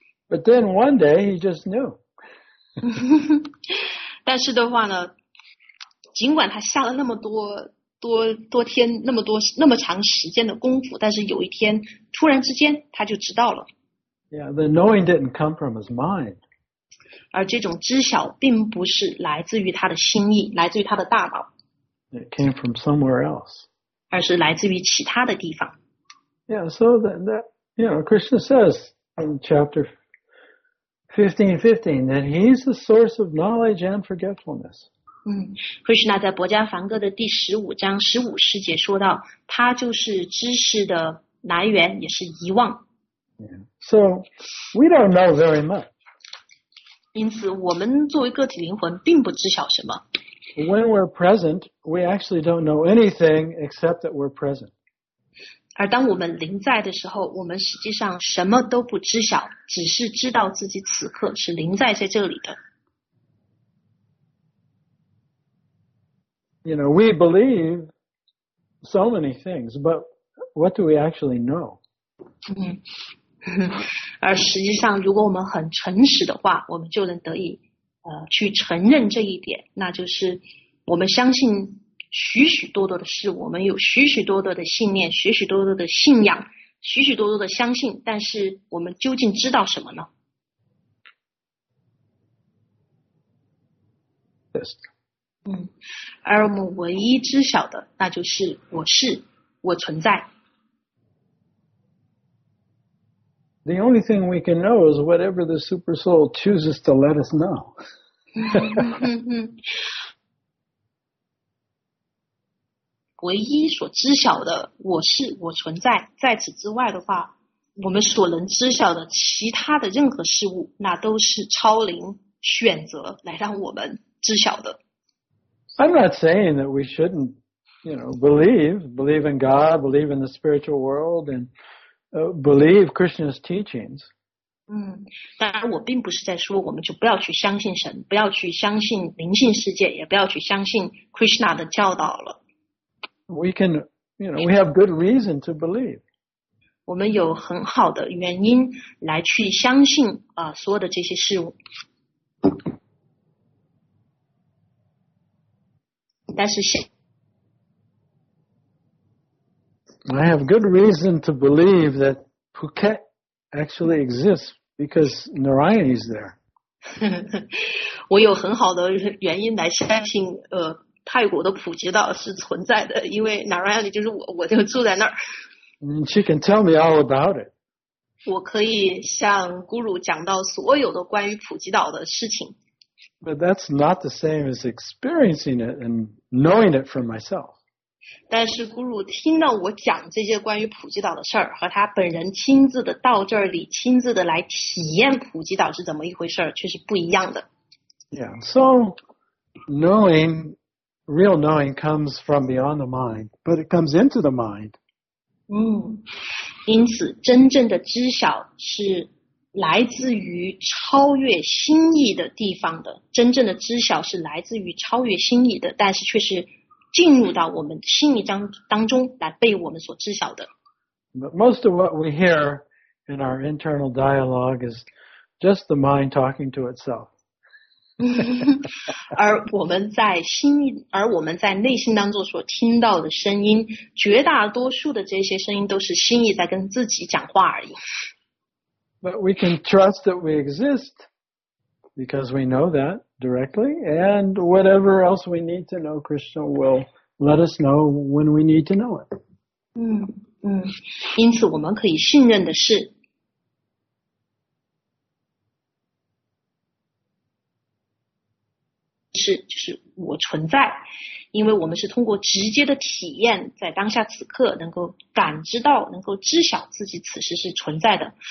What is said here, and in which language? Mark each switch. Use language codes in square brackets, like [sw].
[en] But then one day he just knew. [zh] 但是的话呢，尽管他下了那么多天，那么长时间的功夫，但是有一天突然之间他就知道了。 [en] Yeah, the knowing didn't come from his mind. [zh] 而这种知晓并不是来自于他的心意，来自于他的大脑。 [en] It came from somewhere else. [zh] 而是来自于其他的地方。 [en] Yeah, so that, you know, Krishna says in chapter 15:15 that he's the source of knowledge and forgetfulness. [zh] Krishna 在博迦梵歌的第十五章十五世界说到，他就是知识的来源，也是遗忘。 [en] So we don't know very much. [zh] 因此，我们作为个体灵魂，并不知晓什么。 [en] When we're present, we actually don't know anything except that we're present. [zh] 而当我们临在的时候，我们实际上什么都不知晓，只是知道自己此刻是临在这里的。 [en] you know, we believe so many things, but what do we actually know? [zh] 而实际上，如果我们很诚实的话，我们就能得以去承认这一点，那就是我们相信许许多多的事，我们有许许多多的信念，许许多多的信仰，许许多多的相信，但是我们究竟知道什么呢？ [en] Yes. [zh] 而我们唯一知晓的，那就是我是，我存在。 [en] The only thing we can know is whatever the super soul chooses to let us know. [zh] 唯一所知晓的我是我存在，在此之外的话，我们所能知晓的其他的任何事物，那都是超灵选择来让我们知晓的。 [en] I'm not saying that we shouldn't, you know, believe in God, believe in the spiritual world, and believe Krishna's teachings. [zh] 当然我并不是在说我们就不要去相信神，不要去相信灵性世界，也不要去相信 Krishna 的教导了。 [en] We can, you know, we have good reason to believe. [zh] 我们有很好的原因来去相信所有的这些事物。但是 [en] I have good reason to believe that Phuket actually exists because Narayani is there. [zh] 我有很好的原因来相信泰国的普吉岛是存在的，因为 Narayani 就是我，我就住在那儿。 [en] And she can tell me all about it. [zh] 我可以向 Guru 讲到所有的关于普吉岛的事情。 [en] But that's not the same as experiencing it and knowing it for myself. [zh] 但是 Guru 听到我讲这些关于普吉岛的事儿，和他本人亲自的到这里，亲自的来体验普吉岛是怎么一回事儿，却是不一样的。 [en] Yeah, so knowing. Real knowing comes from beyond the mind, but it comes into the mind. [zh] 因此真正的知晓是来自于超越心意的地方的。真正的知晓是来自于超越心意的，但是却是进入到我们心意当中来被我们所知晓的。 [en] But most of what we hear in our internal dialogue is just the mind talking to itself. [zh] 而我们在内心当中所听到的声音，绝大多数的这些声音都是心意在跟自己讲话而已。 [en] But we can trust that we exist because we know that directly, and whatever else we need to know, Krishna will let us know when we need to know it. [zh] 因此我们可以信任的是。就是我存在，因为我们是通过直接的体验，在当下此刻能够感知到，能够知晓自己此时是存在的。